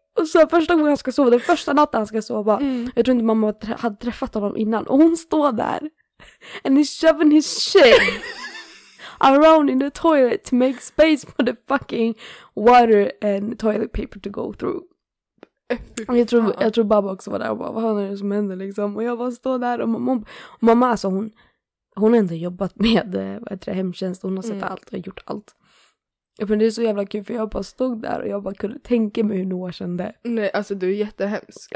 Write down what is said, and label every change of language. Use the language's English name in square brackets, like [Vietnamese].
[Swedish] Och så första gången han ska sova, den första natten han ska sova. Jag tror inte mamma hade träffat honom innan. Och hon står där [English] and he's shoving his shit around in the toilet to make space for the fucking water and toilet paper to go through. [Swedish] Jag tror babba också var där och bara, vad är det som händer liksom? Och jag bara står där och mamma alltså hon har ändå jobbat med hemtjänst, hon har sett allt och gjort allt. För det är så jävla kul för jag bara stod där och jag bara kunde tänka mig hur Noah kände. Nej, alltså du är jättehemsk.